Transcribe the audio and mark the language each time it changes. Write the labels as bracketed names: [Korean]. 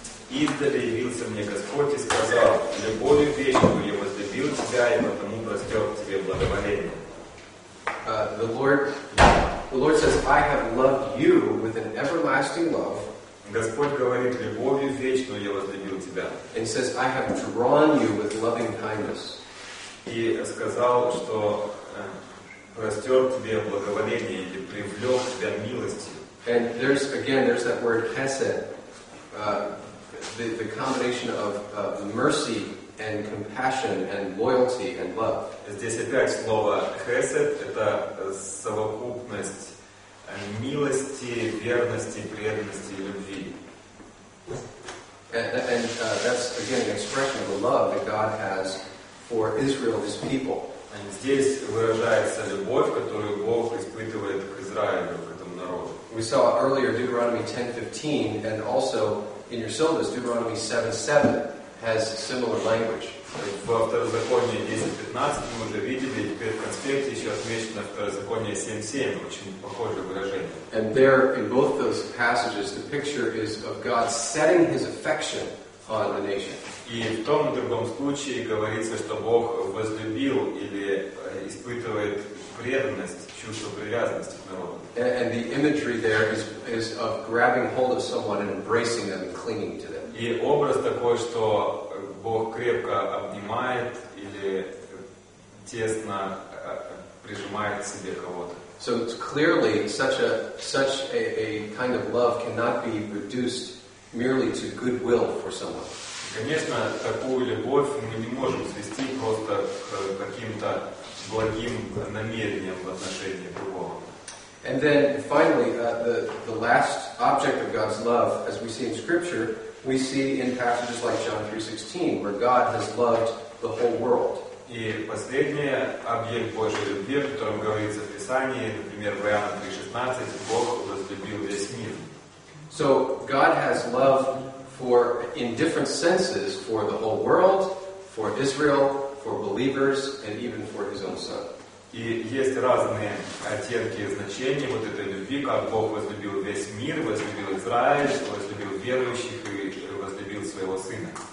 [Russian] «Издали явился мне Господь и сказал, любовью вечную я возлюбил тебя, и потому простер к тебе благоволение». [English] The Lord says, "I have loved you with an everlasting love." [Russian] Господь говорит, любовью вечную я возлюбил тебя. [English] And says, "I have drawn you with loving kindness." [Russian] И сказал, что простер к тебе благоволение, или привлек тебя милостью. [English] And there's, again, there's that word hesed. The combination of mercy and compassion and loyalty and love. [Russian] Здесь опять слово хесед, это совокупность милости, верности, преданности, любви. [English] And that's again an expression of the love that God has for Israel, His people. And [Russian] здесь выражается любовь, которую Бог испытывает к Израилю, к этому народу. [English] We saw earlier Deuteronomy 10:15, and also in your syllabus, Deuteronomy 7:7 has similar language. [Russian] Во второзаконии 10.15 мы уже видели, теперь в конспекте еще отмечено второзаконие 7.7, очень похожее выражение. [English] And there, in both those passages, the picture is of God setting His affection on the nation. [Russian] И в том и другом случае говорится, что Бог возлюбил или испытывает преданность, чувство привязанности к народу. [English] And the imagery there is of grabbing hold of someone and embracing them and clinging to them. [Russian] И образ такой, что Бог крепко обнимает или тесно прижимает к себе кого-то. [English] So it's clearly such a kind of love cannot be reduced merely to goodwill for someone. [Russian] Конечно, такую любовь мы не можем свести просто к каким-то благим намерениям в отношении другого. [English] And then finally, the last object of God's love, as we see in Scripture, we see in passages like John 3:16, where God has loved the whole world. [Russian] И последнее объект Божьей любви, о котором говорится в Писании, например, в Иоанна 3:16, Бог возлюбил весь мир. [English] So God has love for, in different senses, for the whole world, for Israel, for believers, and even for His own Son. [Russian] И есть разные оттенки значения вот этой любви, как Бог возлюбил весь мир, возлюбил Израиль, возлюбил верующих и возлюбил своего Сына.